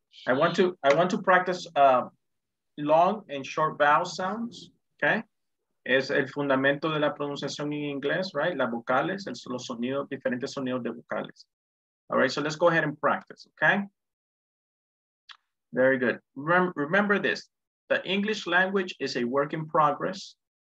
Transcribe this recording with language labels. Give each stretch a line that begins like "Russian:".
English: I want to practice long and short vowel sounds, okay?
Spanish: Es el fundamento de la pronunciación en inglés, right? Las vocales, los sonidos, diferentes sonidos de vocales.
English: All right, so let's go ahead and practice, okay? Very good. Remember this, the English language is a work in progress.